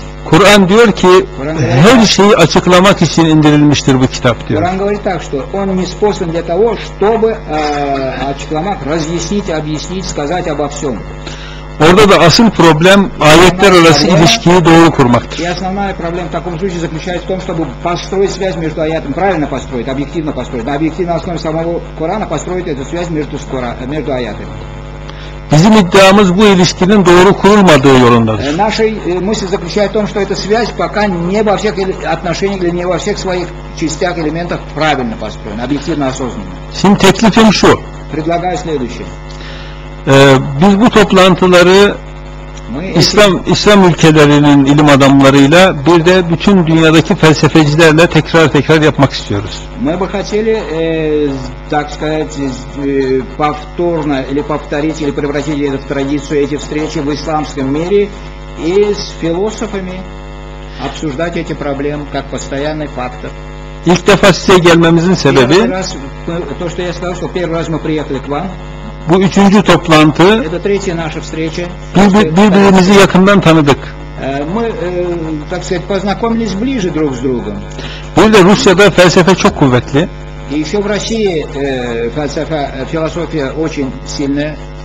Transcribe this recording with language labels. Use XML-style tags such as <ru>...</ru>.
<tr>Kur'an diyor ki her şeyi açıklamak için indirilmiştir bu kitap diyor.</tr> <ru>Kur'an говорит так, что он не способен для того, чтобы açıklamak, разъяснить, объяснить, сказать обо всем.</ru> <tr>Orada da asıl problem ayetler arası ilişkiyi doğru kurmaktır.</tr> <ru>Основная проблема в таком случае заключается в том, чтобы построить связь между аятами, правильно построить, объективно построить. На объективной основе самого Корана построить эту связь между аятами.</ru> <tr>Bizim iddiamız bu ilişkinin doğru kurulmadığı yolundadır.</tr> <ru>Наша мысль заключается в том, что эта связь пока не во всех отношениях или не во всех своих частях, элементах правильно построена, объективно осознана.</ru> <tr>Şimdi teklifim şu.</tr> <ru>Предлагаю следующее.</ru> <tr>Biz bu toplantıları İslam ülkelerinin ilim adamlarıyla bir de bütün dünyadaki felsefecilerle tekrar yapmak istiyoruz.</tr> <ru>Мы бы хотели, так сказать, повторно или повторить или превратить это в традицию эти встречи в исламском мире и с философами обсуждать эти проблемы как постоянный фактор.</ru> <tr>İlk defa size gelmemizin sebebi</tr> <ru>то, что я сказал, что первый раз мы приехали к вам.</ru> <tr>Bu üçüncü toplantı.</tr> <ru>Это третья наша встреча.</ru> <tr>Birbirimizi yakından tanıdık.</tr> <ru>Мы, так сказать, познакомились ближе друг с другом.</ru> <tr>Bir de Rusya'da felsefe çok kuvvetli.</tr> <ru>И еще в России felsefe, философия очень сильная.</ru>